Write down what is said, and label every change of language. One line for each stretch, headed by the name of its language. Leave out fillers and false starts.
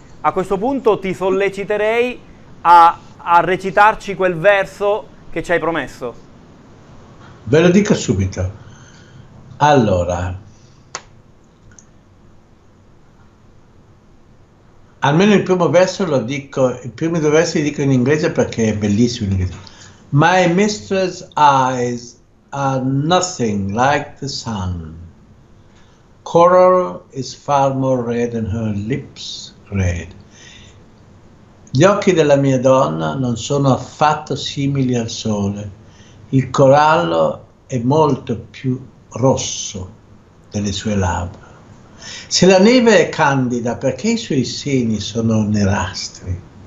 Italian: A questo punto ti solleciterei a recitarci quel verso che ci hai promesso. Ve lo dico subito. Allora, almeno il primo verso lo dico, i primi due versi li dico in inglese perché è bellissimo in inglese.
English: My mistress' eyes are nothing like the sun. Coral is far more red than her lips red.
Italian: Gli occhi della mia donna non sono affatto simili al sole. Il corallo è molto più rosso delle sue labbra. Se la neve è candida, perché i suoi seni sono nerastri?